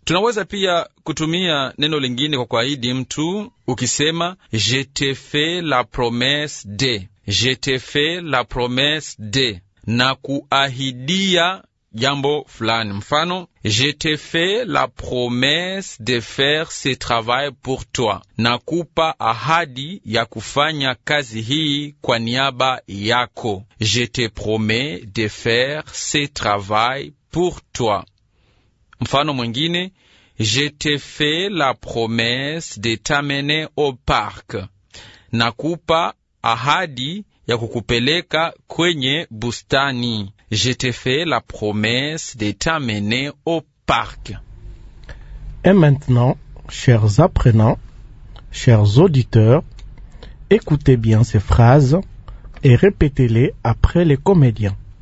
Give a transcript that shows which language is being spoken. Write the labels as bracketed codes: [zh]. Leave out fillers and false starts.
[sw] Tunaweza pia kutumia neno lingine kwa kuahidi mtu ukisema [fr] je te fais la promesse de. Je te fais la promesse de. [sw] Na kuahidia jambo fulani. Mfano, [fr] je te fais la promesse de faire ce travail pour toi. [sw] Nakupa ahadi ya kufanya kazi hii kwa niaba yako. [fr] Je te promets de faire ce travail pour toi. [sw] Mfano mwingine, [fr] je te fais la promesse de t'amener au parc. [sw] Nakupa ahadi ya kukupeleka kwenye bustani. [fr] Je te fais la promesse de t'amener au parc. Et maintenant, chers apprenants, chers auditeurs, écoutez bien ces phrases et répétez-les après les comédiens.